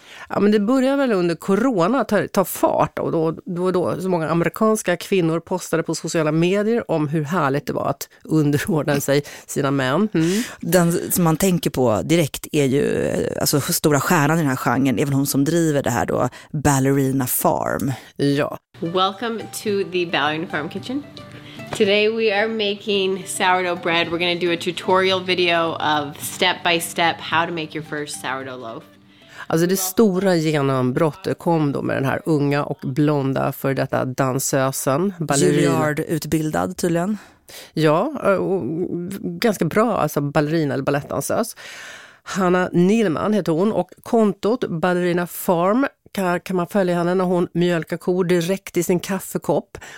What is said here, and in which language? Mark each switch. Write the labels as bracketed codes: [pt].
[sv] Ja, men det börjar väl under corona ta fart, och då så många amerikanska kvinnor postade på sociala medier om hur härligt det var att underordna sig sina män. Den som man tänker på direkt är ju, alltså, stora stjärnan i den här genren, även hon som driver det här då, Ballerina Farm. Ja. [en] Welcome to the Ballerina Farm Kitchen. Today we are making sourdough bread. We're going to do a tutorial video of step by step how to make your first sourdough loaf. [sv] Alltså det stora genombrottet kom då med den här unga och blonda för detta dansösen. Juilliard-utbildad tydligen. Ja, ganska bra, alltså ballerina eller ballettdansös. Hanna Nilman heter hon, och kontot Ballerina Farm kan man följa henne när hon mjölkar kor direkt i sin kaffekopp.